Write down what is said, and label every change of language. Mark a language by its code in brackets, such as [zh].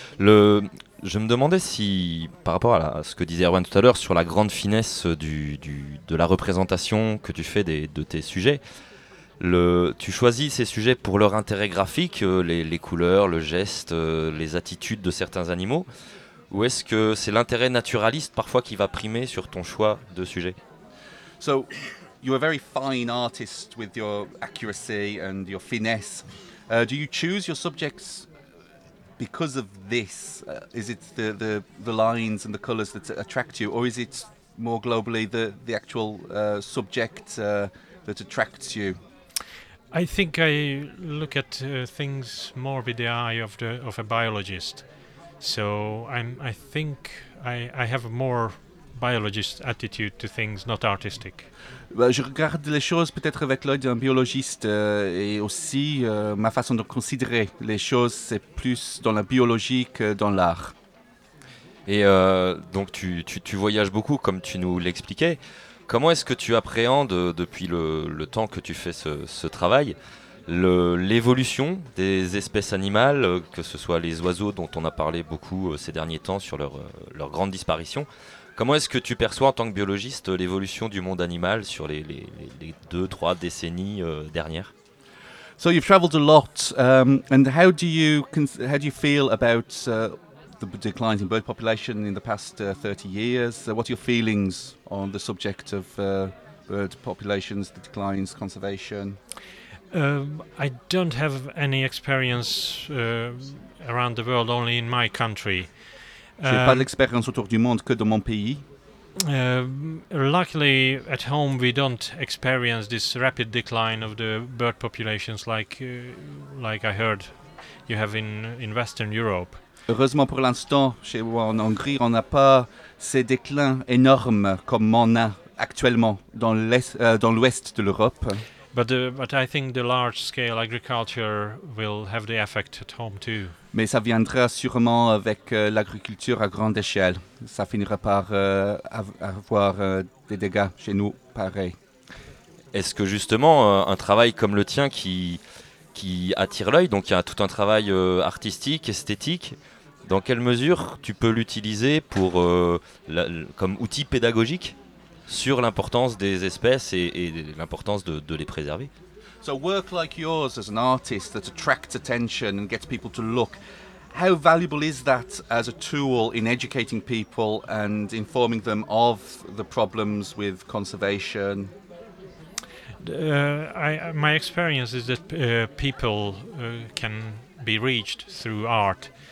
[fr] Je me demandais si, par rapport à ce que disait Erwan tout à l'heure sur la grande finesse de la représentation que tu fais de tes sujets, tu choisis ces sujets pour leur intérêt graphique, les couleurs, le geste, les attitudes de certains animaux, ou est-ce que c'est l'intérêt naturaliste parfois qui va primer sur ton choix de sujet? [en] So, you're a very fine artist with your accuracy and your finesse. Do you choose your subjects because of this? Is it the lines and the colors that attract you, or is it more globally the actual subject that attracts you? I think I look at things more with the eye of a biologist. So I think I have a more biologist attitude to things, not artistic. [fr] Je regarde les choses peut-être avec l'œil d'un biologiste et aussi ma façon de considérer les choses, c'est plus dans la biologie que dans l'art. Et donc tu voyages beaucoup, comme tu nous l'expliquais. Comment est-ce que tu appréhendes, depuis le temps que tu fais ce travail, l'évolution des espèces animales, que ce soit les oiseaux dont on a parlé beaucoup ces derniers temps sur leur grande disparition? Comment est-ce que tu perçois en tant que biologiste l'évolution du monde animal sur les deux, trois décennies dernières? [en] So you've traveled a lot, and how do you feel about the declines in bird population in the past 30 years? What are your feelings on the subject of bird populations, the declines, conservation? I don't have any experience around the world, only in my country. [fr] Je n'ai pas d'expérience autour du monde que dans mon pays. [en] Luckily, at home, we don't experience this rapid decline of the bird populations like I heard you have in Western Europe. [fr] Heureusement, pour l'instant, chez moi en Hongrie, on n'a pas ces déclins énormes comme on a actuellement dans l'ouest de l'Europe. [en] But I think the large scale agriculture will have the effect at home too. [fr] Mais ça viendra sûrement avec l'agriculture à grande échelle. Ça finira par avoir des dégâts chez nous, pareil. Est-ce que justement un travail comme le tien qui attire l'œil, donc il y a tout un travail artistique, esthétique, dans quelle mesure tu peux l'utiliser pour comme outil pédagogique ? Sur l'importance des espèces et l'importance de les préserver. [en] So work like yours as an artist that attracts attention and gets people to look. How valuable is that as a tool in educating people and informing them of the problems with conservation? My experience is that people can be reached through art.